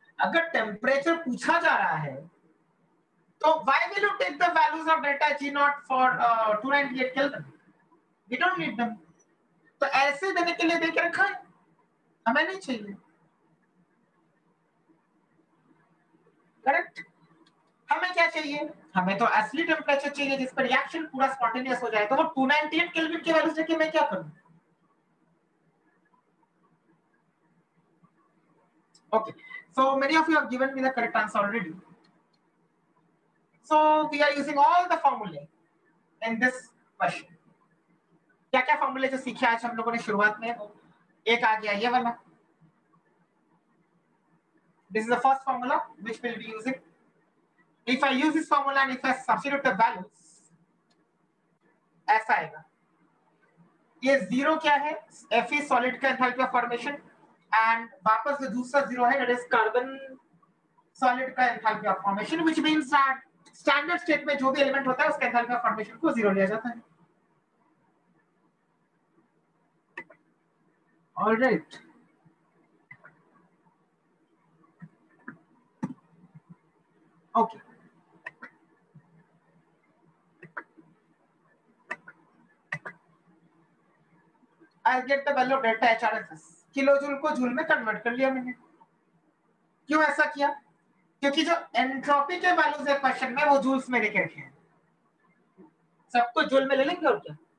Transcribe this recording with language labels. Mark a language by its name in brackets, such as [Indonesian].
[Hindi] अगर टेम्परेचर पूछा जा रहा है तो [English] why will you take the values of delta G not for 298 kelvin we don't need them [Hindi] तो ऐसे देने के लिए देके रखा है हमें नहीं चाहिए करेक्ट हमें क्या चाहिए हमें तो असली टेम्परेचर चाहिए जिस पर रिएक्शन पूरा स्पॉन्टेनियस हो जाए तो वो 298 केल्विन के वैल्यूज लेके मैं क्या करूं [English] Okay. So many of you have given me the correct answer already. So we are using all the formulae in this question. [Hindi] क्या क्या फॉर्मूले जो सीखे आज हम लोगों ने शुरुआत में, एक आ गया ये वाला. [English] This is the first formula which we'll be using. If I use this formula and if I substitute the values, [Hindi] ऐसा आएगा. ये जीरो क्या है? Fe solid का एंथैल्पी ऑफ फॉर्मेशन. एंड वापस जो दूसरा जीरो है, that is carbon solid का enthalpy of formation, [English] which means that [Hindi] standard state में जो भी element होता है उसके एंथैल्पी ऑफ फॉर्मेशन को जीरो लिया जाता है. [English] All right. Okay. I'll get the value of delta HRSS. [Hindi] Kilojoule को joule में convert कर लिया मैंने. क्यों ऐसा किया? क्योंकि जो entropy के values है question में वो joules में लिखे हैं. सबको joule में ले लेंगे और क्या?